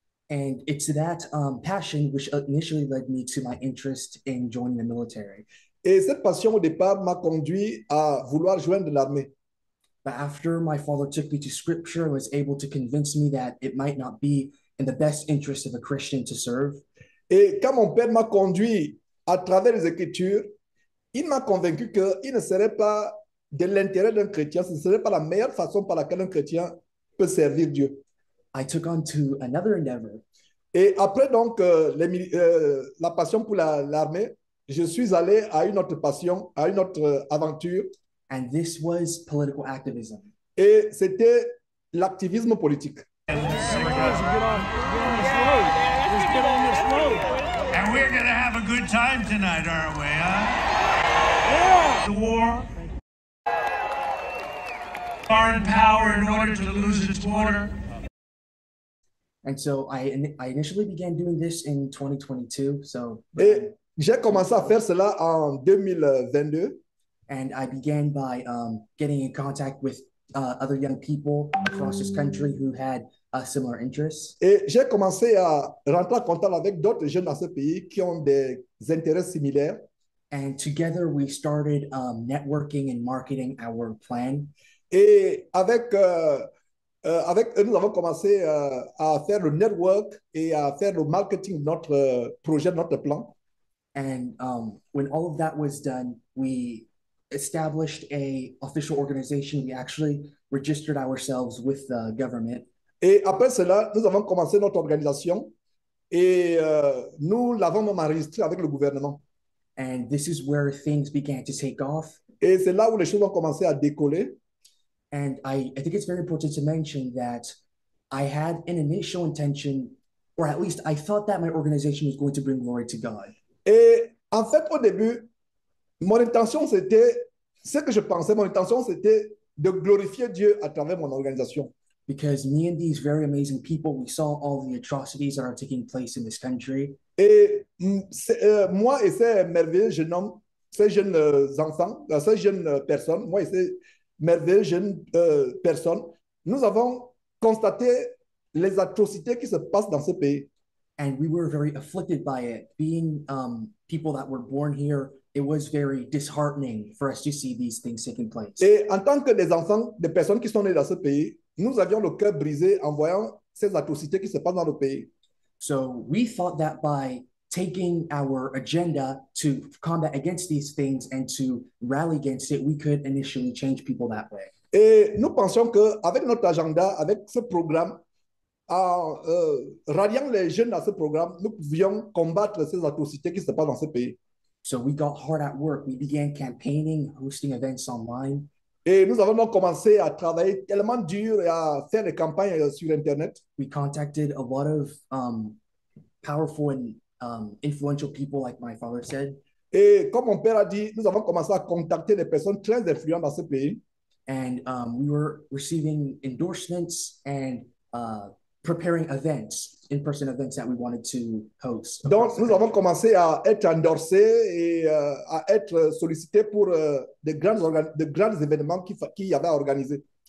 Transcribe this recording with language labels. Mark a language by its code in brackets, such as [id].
[en] And it's that passion which initially led me to my interest in joining the military. [fr] Et cette passion au départ m'a conduit à vouloir joindre l'armée. [en] But after my father took me to scripture and was able to convince me that it might not be in the best interest of a Christian to serve. [fr] Et quand mon père m'a conduit à travers les Écritures, il m'a convaincu qu'il ne serait pas de l'intérêt d'un chrétien, ce ne serait pas la meilleure façon par laquelle un chrétien peut servir Dieu. [en] I took on to another endeavor. [fr] Et après donc la passion pour l'armée, je suis allé à une autre passion, à une autre aventure. [en] And this was political activism. [fr] Et c'était l'activisme politique. [en] And we're going to have a good time tonight, aren't we? The war. Foreign power in order to lose its border. And so I initially began doing this in 2022. So [fr] et j'ai commencé à faire cela en 2022. [en] And I began by getting in contact with other young people across this country who had similar interests. [fr] Et j'ai commencé à rentrer en contact avec d'autres jeunes dans ce pays qui ont des intérêts similaires. [en] And together we started networking and marketing our plan. [fr] Et avec avec eux, nous avons commencé à faire le network et à faire le marketing de notre projet, de notre plan. [en] And when all of that was done, we established a official organization. We actually registered ourselves with the government. [fr] Et après cela, nous avons commencé notre organisation et nous l'avons même enregistré avec le gouvernement. [en] And this is where things began to take off. [fr] Et c'est là où les choses ont commencé à décoller. [en] And I think it's very important to mention that I had an initial intention Or at least I thought that my organization was going to bring glory to God. [fr] Et en fait, au début, mon intention, c'était ce que je pensais, mon intention, c'était de glorifier Dieu à travers mon organisation. [en] Because me and these very amazing people, we saw all the atrocities that are taking place in this country. [fr] Et moi et ces merveilleux jeunes hommes, ces jeunes enfants, ces jeunes personnes, moi et ces merveilleux jeunes personnes, nous avons constaté les atrocités qui se passent dans ce pays. [en] And we were very afflicted by it. Being people that were born here, it was very disheartening for us to see these things taking place. [fr] Et en tant que des enfants, des personnes qui sont nées dans ce pays, nous avions le cœur brisé en voyant ces atrocités qui se passent dans le pays. [en] So we thought that by taking our agenda to combat against these things and to rally against it, we could initially change people that way. [fr] Et nous pensions que avec notre agenda, avec ce programme, en ralliant les jeunes dans ce programme, nous pouvions combattre ces atrocités qui se passent dans ce pays. [en] So we got hard at work. We began campaigning, hosting events online. [fr] Et nous avons donc commencé à travailler tellement dur et à faire des campagnes sur Internet. [en] We contacted a lot of powerful and influential people, like my father said. [fr] Et comme mon père a dit, nous avons commencé à contacter des personnes très influentes dans ce pays. [en] And we were receiving endorsements and preparing events, in-person events that we wanted to host. [fr] Donc, nous avons commencé à être endorsés et à être sollicités pour de grands événements qui y avait à organiser.